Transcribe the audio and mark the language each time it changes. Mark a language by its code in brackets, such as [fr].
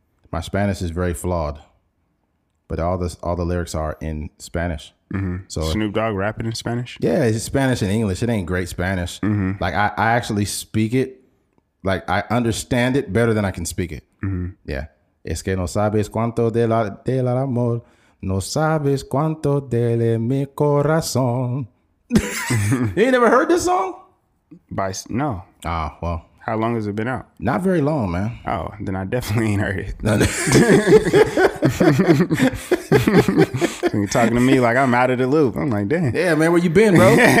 [en] My Spanish is very flawed. But all the lyrics are in Spanish. Mm-hmm. So Snoop Dogg rapping in Spanish? Yeah, it's Spanish and English. It ain't great Spanish. Mm-hmm. Like, I actually speak it. Like, I understand it better than I can speak it. Mm-hmm. Yeah. [es] Es que no sabes cuánto del amor. No sabes cuánto del mi corazón. [en] You ain't never heard this song? No. Ah, well. How long has it been out? Not very long, man. Oh, then I definitely ain't heard it. You're talking to me like I'm out of the loop. I'm like, damn. Yeah, man, where you been, bro?